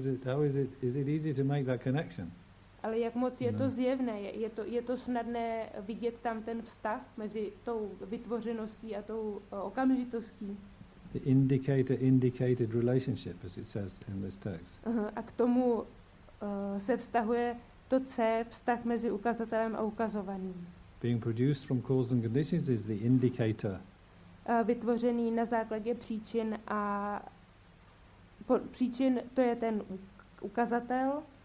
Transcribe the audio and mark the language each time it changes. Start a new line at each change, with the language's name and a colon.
English: How is it easy to make that connection?
Czech: Ale jak moc je to zjevné? Je to snadné vidět tam ten vztah mezi tou vytvořeností a tou okamžitostí?
English: The indicator-indicated relationship, as it says in this text.
Czech: A k tomu se vztahuje to C, vztah mezi ukazatelem a ukazovaným.
English: Being produced from causes and conditions is the indicator.
Czech: Vytvořený na základě příčin a příčin, to je ten ukazatel.